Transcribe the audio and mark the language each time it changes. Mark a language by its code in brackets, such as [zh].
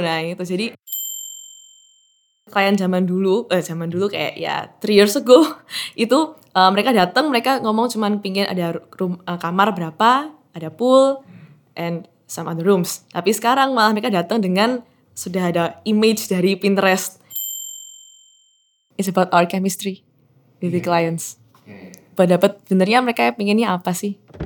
[id] Nah itu, jadi klien zaman dulu kayak ya [en] 3 years ago [id] itu mereka datang, mereka ngomong cuman pingin ada kamar berapa, ada [en] pool and some other rooms. [id] Tapi sekarang malah mereka datang dengan sudah ada image dari Pinterest. [en] It's about our chemistry with the clients. [id] Padahal benernya mereka pinginnya apa sih?